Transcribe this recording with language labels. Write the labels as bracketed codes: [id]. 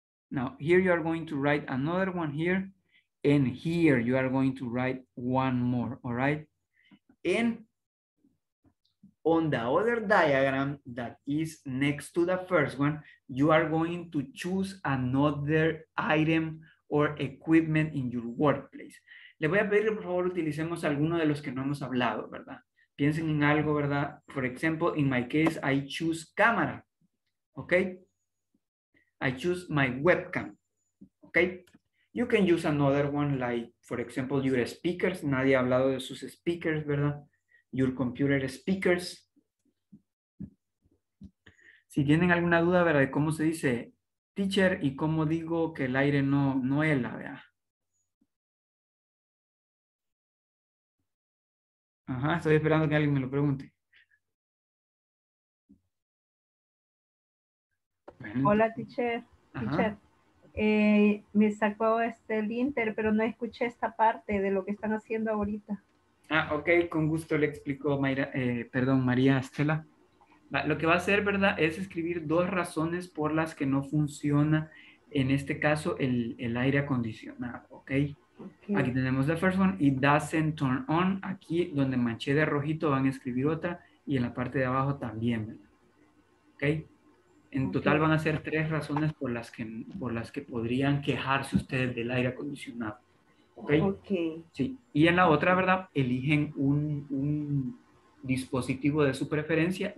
[en] Now, here you are going to write another one here. And here you are going to write one more, all right? And on the other diagram that is next to the first one, you are going to choose another item or equipment in your workplace. [es] Le voy a pedir, por favor, utilicemos alguno de los que no hemos hablado, ¿verdad? Piensen en algo, ¿verdad? [en] For example, in my case, I choose camera, okay? I choose my webcam, okay? You can use another one like, for example, your speakers. [es] Nadie ha hablado de sus speakers, ¿verdad? [en] Your computer speakers. [es] Si tienen alguna duda, ¿verdad? ¿Cómo se dice teacher y cómo digo que el aire no hela, ¿verdad? Ajá, estoy esperando que alguien me lo pregunte. Bueno. Hola, teacher. Ajá. Teacher. Me sacó el inter, pero no escuché esta parte de lo que están haciendo ahorita. Ah, ok, con gusto le explico, Mayra, María Estela. Lo que va a hacer, ¿verdad?, es escribir dos razones por las que no funciona, en este caso, el aire acondicionado, okay? ¿Ok? Aquí tenemos [en] the first one, it doesn't turn on. [es] Aquí, donde manché de rojito, van a escribir otra, y en la parte de abajo también, ¿verdad? ¿Ok? En total van a ser tres razones por las que podrían quejarse ustedes del aire acondicionado. ¿Okay? Ok. Sí. Y en la otra, ¿verdad? Eligen un dispositivo de su preferencia.